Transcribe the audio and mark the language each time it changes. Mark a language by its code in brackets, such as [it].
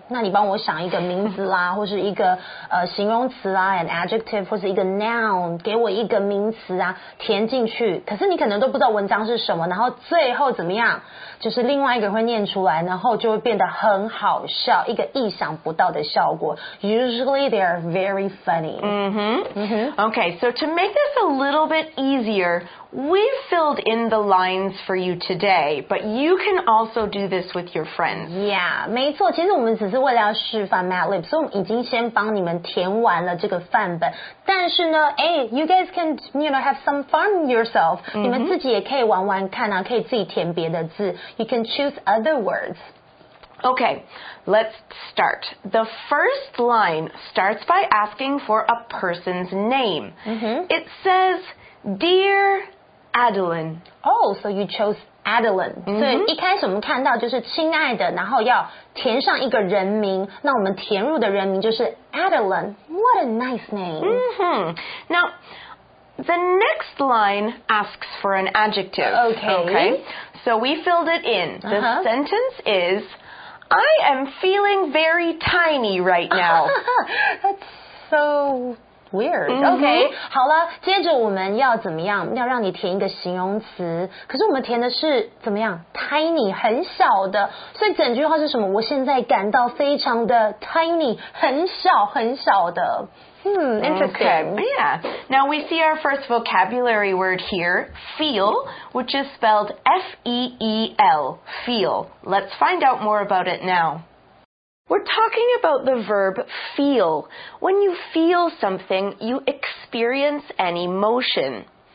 [zh] 那你帮我想一个名字啦，或是一个形容词啊 ，an adjective 或是一个 noun， 给我一个名词啊，填进去。可是你可能都不知道文章是什么，然后最后怎么样？就是另外一个人会念出来，然后就会变得很好笑，一个意想不到的效果。 [en] Usually they are very funny. Okay, so to make this a little bit easier, we've filled in the lines for you today, but you can also do this with your friends. [zh] Yeah, 没错，其实我们只是为了要示范 Matlib， 所以我们已经先帮你们填完了这个范本。但是呢，哎 ， [en] you guys can you know have some fun yourself.、 [zh] Mm-hmm. 你们自己也可以玩玩看啊，可以自己填别的字。 [en] You can choose other words. Okay, let's start. The first line starts by asking for a person's name.、 Mm-hmm. It says, Dear Adeline. Oh, so you chose Adeline. [zh] So, 一开始我们看到就是亲爱的，然后要填上一个人名。那我们填入的人名就是 Adeline. [en] What a nice name. Mm-hmm. Now, the next line asks for an adjective. Okay. So we filled it in. The、uh-huh. sentence is, I am feeling very tiny right now. That's so weird.、 [zh] Mm-hmm. Okay, 好了，接着我们要怎么样？要让你填一个形容词。可是我们填的是怎么样 ？Tiny， 很小的。所以整句话是什么？我现在感到非常的 tiny， 很小很小的。 [en] Interesting. Okay, yeah. Now we see our first vocabulary word here, feel, which is spelled F-E-E-L, feel. Let's find out more about it now. We're talking about the verb feel. When you feel something, you experience an emotion.